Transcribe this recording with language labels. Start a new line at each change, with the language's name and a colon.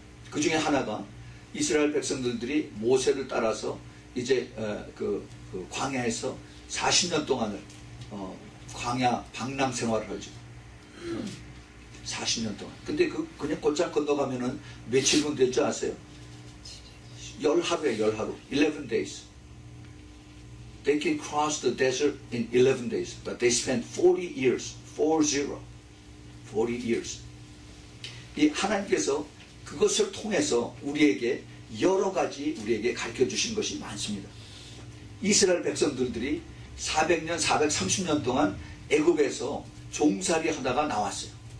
Korean: 그 중에 하나가 이스라엘 백성들이 모세를 따라서 이제 그 광야에서 40년 동안을 광야 방랑 생활을 하죠. 40년 동안. 근데 그 그냥 곧장 건너가면은 며칠분 될 줄 아세요? 열하루에 열하루.
English: 11 days. They can cross the desert in 11 days, but they spent 40 years. 40 years.
Korean: 이 하나님께서 그것을 통해서 우리에게 여러 가지 우리에게 가르쳐 주신 것이 많습니다. 이스라엘 백성들이 400년, 430년 동안 애굽에서 종살이 하다가 나왔어요.